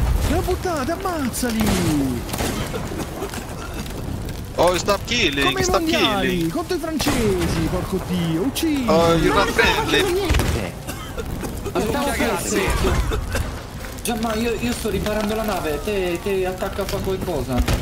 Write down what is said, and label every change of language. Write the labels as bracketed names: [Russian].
[Italian] Gliel'hai buttate, ammazzali! [English] Oh, stop killing, stop killing! [Italian] Contro i francesi, porco Dio, uccidi! [English] Oh, you're not friendly! [Italian] Aspetta, ragazzi! Ma io sto riparando la nave, te attacca a qualcosa.